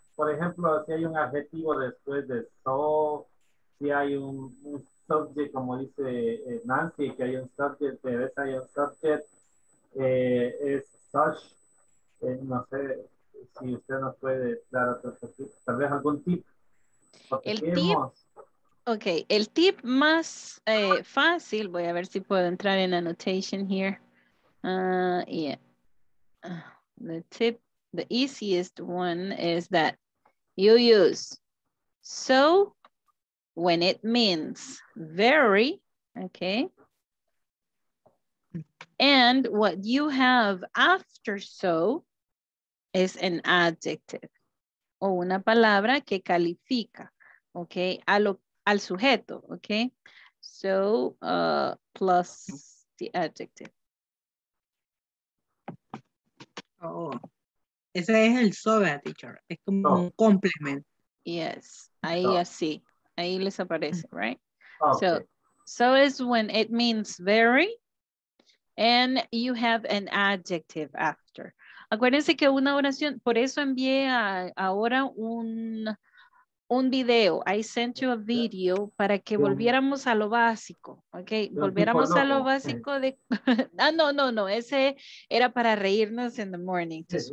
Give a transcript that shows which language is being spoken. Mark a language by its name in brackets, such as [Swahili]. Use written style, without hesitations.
[Spanish] Por ejemplo, si hay un adjetivo después de so, si hay un subject, como dice Nancy, que hay un subject, que a veces hay un subject, es such, no sé. Si usted nos puede dar tal vez algún tip. El tip. Ok, el tip más fácil. Voy a ver si puedo entrar en [English] annotation here. Yeah. The tip, the easiest one is that you use so when it means very. Ok. And what you have after so. [Spanish] Es [English] an adjective [Spanish] o una palabra que califica, okay, al sujeto, okay. [English] So plus the adjective. [Spanish] Oh, ese es el sobre, teacher. Es como un complemento. Yes, ahí así, ahí les aparece, [English] right? Oh, so, okay. So is when it means very, and you have an adjective after. [Spanish] Acuérdense que una oración, por eso envié ahora un video. [English] I sent you a video [Spanish] para que volviéramos a lo básico, ¿ok? Volviéramos a lo básico de... Ah, no, ese era para reírnos [English] in the morning.